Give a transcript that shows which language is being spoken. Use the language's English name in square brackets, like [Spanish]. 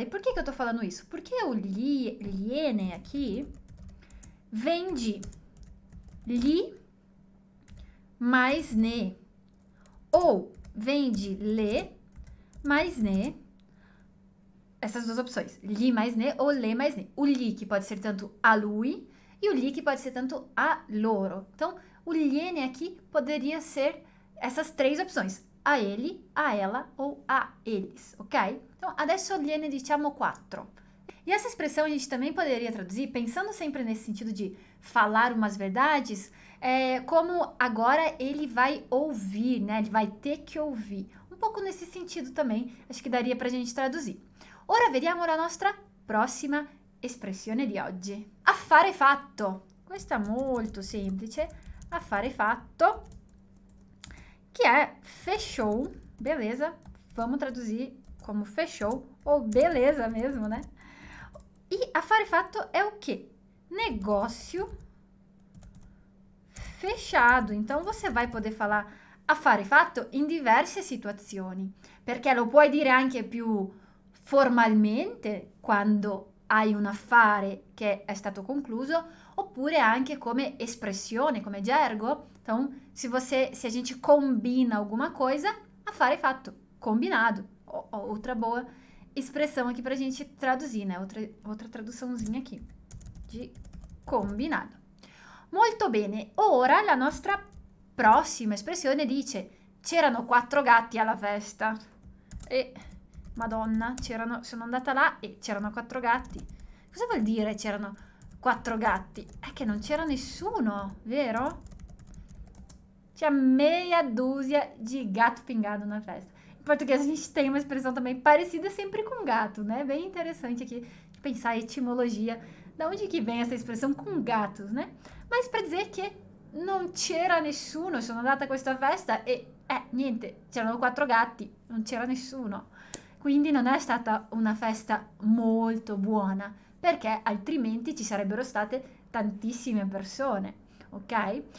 [Portuguese] E por que que eu tô falando isso? Porque o liene aqui vem de li mais ne, ou vem de le mais ne. Essas duas opções, li mais ne ou le mais ne. O li, que pode ser tanto a lui, e o li, que pode ser tanto a loro. Então, o liene aqui poderia ser essas três opções: a ele, a ela ou a eles, ok? Então, [Italian] adesso liene diciamo quattro. [Portuguese] E essa expressão a gente também poderia traduzir, pensando sempre nesse sentido de falar umas verdades, é como agora ele vai ouvir, né? Ele vai ter que ouvir. Um pouco nesse sentido também, acho que daria pra gente traduzir. [Italian] Ora vediamo la nostra prossima espressione di oggi. Affare fatto. Questa è molto semplice. Affare fatto. Che è [Portuguese] fechou. Beleza. Vamos traduzir como fechou. Ou beleza mesmo, né? E [Italian] affare fatto [Portuguese] è o quê? Negócio fechado. Então você vai poder falar [Italian] affare fatto in diverse situazioni. Perché lo puoi dire anche più formalmente, quando hai un affare che è stato concluso, oppure anche come espressione, come gergo. [Portuguese] Então, se a gente combina alguma coisa, [Italian] affare fatto, [Portuguese] combinado. Outra boa expressão aqui pra gente traduzir, né? Outra traduçãozinha aqui, de combinado. [Italian] Molto bene, ora la nostra prossima espressione dice c'erano quattro gatti alla festa. E Madonna, sono andata là e c'erano quattro gatti. Cosa vuol dire c'erano quattro gatti? È che non c'era nessuno, vero? C'è [Portuguese] meia dúzia di gatto pingado na festa. In português a gente tem uma expressão também parecida sempre com gato, né? Bem interessante aqui pensar a etimologia. Da onde que vem essa expressão com gatos, né? Mas pra dizer [Italian] che non c'era nessuno, sono andata a questa festa e, niente, c'erano quattro gatti, non c'era nessuno. Quindi non è stata una festa molto buona, perché altrimenti ci sarebbero state tantissime persone, ok?